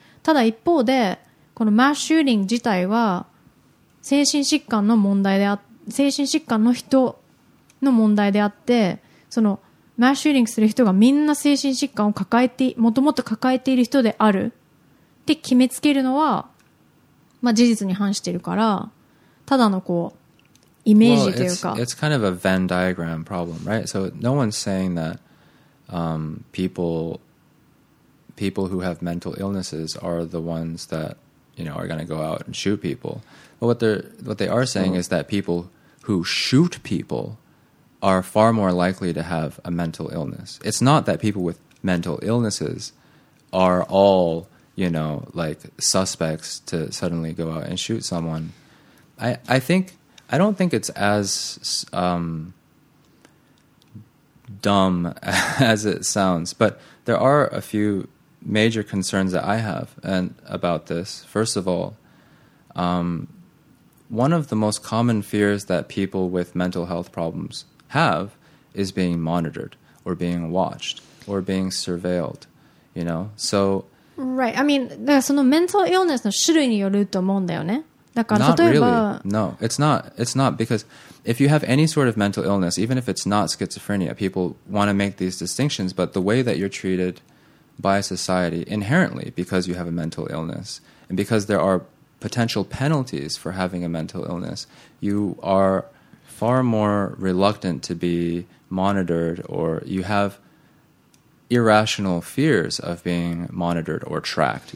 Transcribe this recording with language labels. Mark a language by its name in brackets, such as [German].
[Japanese] ただ一方でこのマッシューリング自体は精神疾患の問題であ、精神疾患の人の問題であって、そのマッシューリングする人がみんな精神疾患を抱えて、もともと抱えている人であるって決めつけるのは、まあ、事実に反しているから、ただのこうイメージというか、 [English] it's kind of a Venn diagram problem, right? So no one's saying that、people who have mental illnesses are the ones that, you know, are going to go out and shoot people. But what they are saying、mm-hmm. is that people who shoot people are far more likely to have a mental illness. It's not that people with mental illnesses are all, you know, like suspects to suddenly go out and shoot someone. I don't think it's as、dumb as it sounds, but there are a few... major concerns that I have and about this. First of all, one of the most common fears that people with mental health problems have is being monitored or being watched or being surveilled, you know? So... Right. I mean, [Japanese] そのメンタルイルネスの種類によると思うんだよね。だから、 [English] not really. No, it's not. It's not because if you have any sort of mental illness, even if it's not schizophrenia, people want to make these distinctions, but the way that you're treated... by society inherently because you have a mental illness and because there are potential penalties for having a mental illness, you are far more reluctant to be monitored or you have irrational fears of being monitored or tracked.